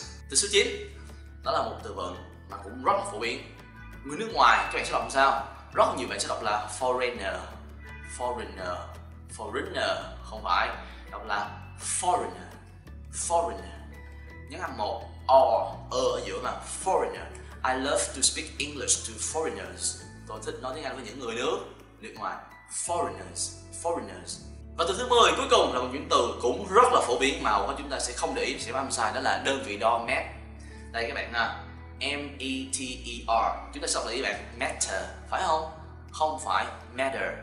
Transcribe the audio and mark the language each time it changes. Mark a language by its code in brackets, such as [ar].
[vi] Từ số 9 đó là một từ vựng mà cũng rất là phổ biến. Người nước ngoài các bạn sẽ đọc sao? Rất nhiều bạn sẽ đọc là foreigner. Foreigner. Foreigner không phải, đọc là foreigner. Foreigner. Nhấn âm một o ở giữa mà foreigner. [en] I love to speak English to foreigners. [vi] Tôi thích nói tiếng Anh với những người nước ngoài. Foreigners. Foreigners. Và từ thứ 10 cuối cùng là một những từ cũng rất là phổ biến mà chúng ta sẽ không để ý, sẽ phạm sai, đó là đơn vị đo mét. Đây các bạn ha, M-E-T-E-R. Chúng ta sẽ đọc là gì bạn? Meter, phải không? Không phải, meter.